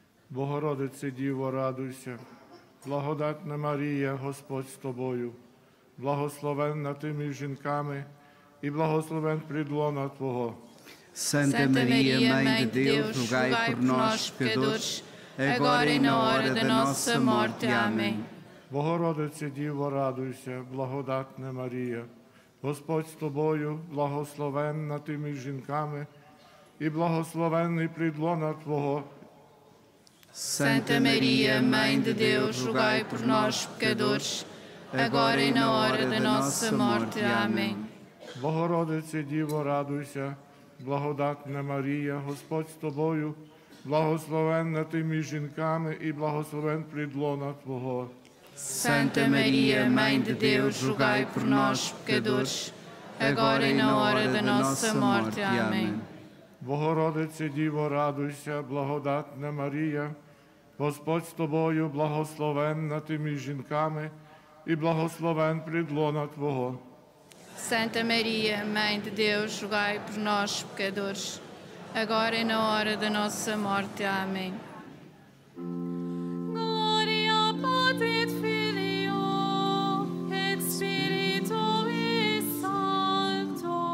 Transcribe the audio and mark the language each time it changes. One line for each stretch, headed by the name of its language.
Ukrainian: Богородице Діво, радуйся, благодатна Марія, Господь з тобою, благословенна ти між жінками і благословен плід лона твого.
Portuguese: Santa Maria, Mãe de Deus, rogai por nós, pecadores, agora e na hora da nossa morte. Amém.
Ukrainian: Богородице Діво, радуйся, благодатна Марія, Господь з тобою, благословенна ти між жінками і благословенний плід лона твого.
Portuguese: Santa Maria, Mãe de Deus, rogai por nós, pecadores, agora e na hora da nossa morte. Amém.
Ukrainian: Богородице Діво, радуйся, благодатна Марія, Господь з тобою, благословенна ти між жінками і благословен плід лона твого.
Portuguese: Santa Maria, Mãe de Deus, rogai por nós, pecadores, agora e na hora da nossa morte. Amém.
Ukrainian: Богородице Діво, радуйся, благодатна Марія, Господь з тобою, благословенна ти між жінками, і благословен плід лона твого.
Portuguese: Santa Maria, Mãe de Deus, rogai por nós, pecadores, agora e na hora da nossa morte. Amém. Glória ao Padre e Filho, et Spirito e Santo.